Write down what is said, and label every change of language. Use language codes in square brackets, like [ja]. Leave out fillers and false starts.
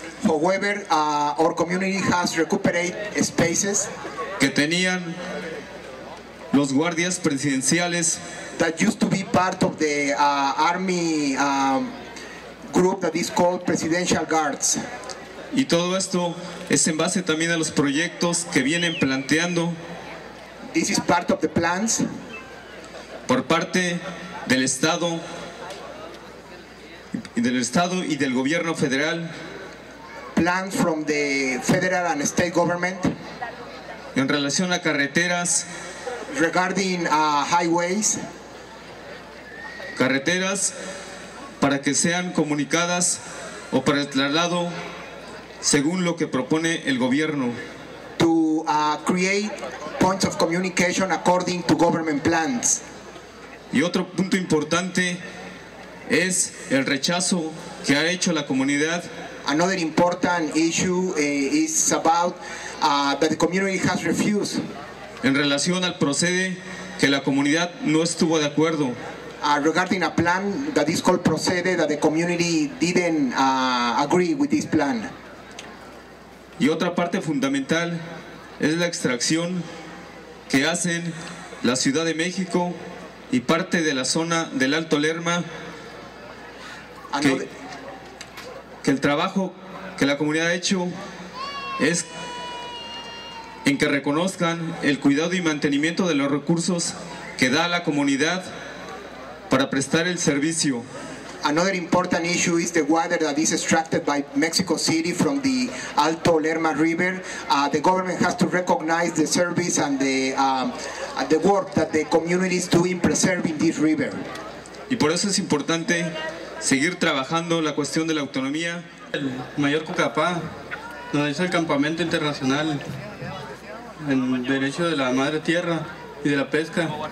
[en] however, our community has recuperated spaces [es] que tenían los guardias presidenciales, [en] that used to be part of the army group that is called Presidential Guards. [es] Y todo esto es en base también a los proyectos que vienen planteando. [en] This is part of the plans [es] por parte del Estado, y del gobierno federal, [en] plan from the federal and state government, [es] en relación a carreteras, [en] regarding highways, [es] carreteras para que sean comunicadas o para el traslado según lo que propone el gobierno, [en] to create points of communication according to government plans. [es] Y otro punto importante es el rechazo que ha hecho la comunidad. [en] Another important issue is about that the community has refused, [es] en relación al procede que la comunidad no estuvo de acuerdo, [en] regarding a plan that is called procede, that the community didn't agree with this plan. [es] Y otra parte fundamental es la extracción que hacen la Ciudad de México y parte de la zona del Alto Lerma, que el trabajo que la comunidad ha hecho es en que reconozcan el cuidado y mantenimiento de los recursos que da a la comunidad para prestar el servicio. [en] Another important issue is the water that is extracted by Mexico City from the Alto Lerma River. The government has to recognize the service and the work that the community is doing preserving this river. [es] Y por eso es importante seguir trabajando la cuestión de la autonomía. El mayor Cucapá, donde es el campamento internacional en derecho de la madre tierra y de la pesca.